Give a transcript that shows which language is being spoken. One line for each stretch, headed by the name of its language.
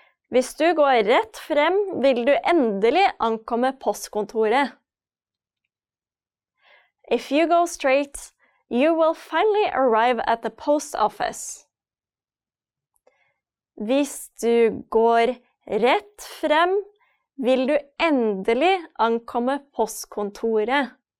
Norwegian: Hvis du går rett frem, vil du endelig ankomme postkontoret.
English: If you go straight, you will finally arrive at the post office.
Norwegian: Hvis du går rett frem, vil du endelig ankomme postkontoret.